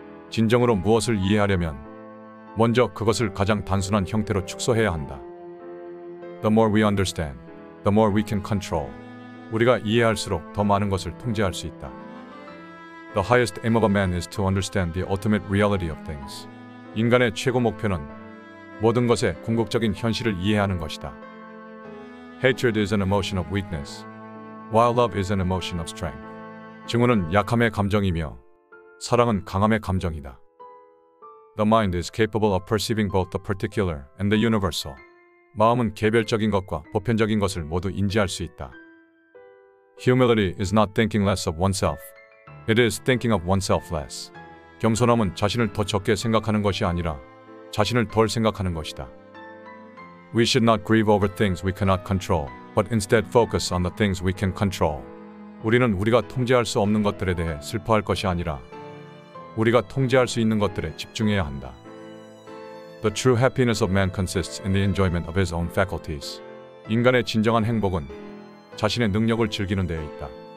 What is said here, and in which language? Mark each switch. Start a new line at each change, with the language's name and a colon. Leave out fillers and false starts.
Korean: 진정으로 무엇을 이해하려면 먼저 그것을 가장 단순한 형태로 축소해야 한다.
English: The more we understand, the more we can control.
Korean: 우리가 이해할수록 더 많은 것을 통제할 수 있다.
English: The highest aim of a man is to understand the ultimate reality of things.
Korean: 인간의 최고 목표는 모든 것의 궁극적인 현실을 이해하는 것이다.
English: Hatred is an emotion of weakness, while love is an emotion of strength.
Korean: 증오는 약함의 감정이며 사랑은 강함의 감정이다.
English: The mind is capable of perceiving both the particular and the universal.
Korean: 마음은 개별적인 것과 보편적인 것을 모두 인지할 수 있다.
English: Humility is not thinking less of oneself. It is thinking of oneself less.
Korean: 겸손함은 자신을 더 적게 생각하는 것이 아니라 자신을 덜 생각하는 것이다.
English: We should not grieve over things we cannot control, but instead focus on the things we can control.
Korean: 우리는 우리가 통제할 수 없는 것들에 대해 슬퍼할 것이 아니라 우리가 통제할 수 있는 것들에 집중해야 한다.
English: The true happiness of man consists in the enjoyment of his own faculties.
Korean: 인간의 진정한 행복은 자신의 능력을 즐기는 데에 있다.